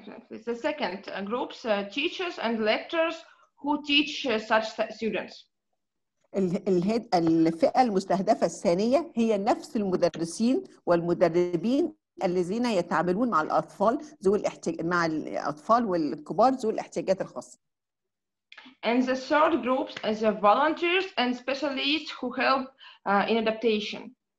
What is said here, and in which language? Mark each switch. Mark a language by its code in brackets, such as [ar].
[en] The second groups teachers and lecturers who teach such students. [ar] الفئة المستهدفة الثانية هي نفس المدرسين والمدربين الذين يتعاملون مع الأطفال ذوي مع الأطفال والكبار ذوي الاحتياجات الخاصة. [en] And the third group is the volunteers and specialists who help in adaptation.